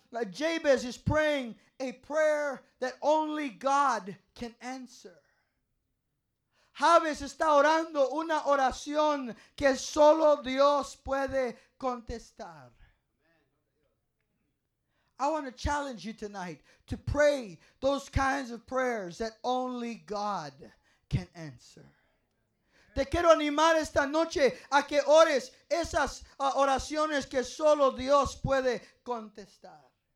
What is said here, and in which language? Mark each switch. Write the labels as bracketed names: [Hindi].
[English] Jabez is praying a prayer that only God can answer. [Spanish] Jabez está orando una oración que solo Dios puede contestar. [English] I want to challenge you tonight to pray those kinds of prayers that only God can answer. [Spanish] Te quiero animar esta noche a que ores esas oraciones que solo Dios puede contestar.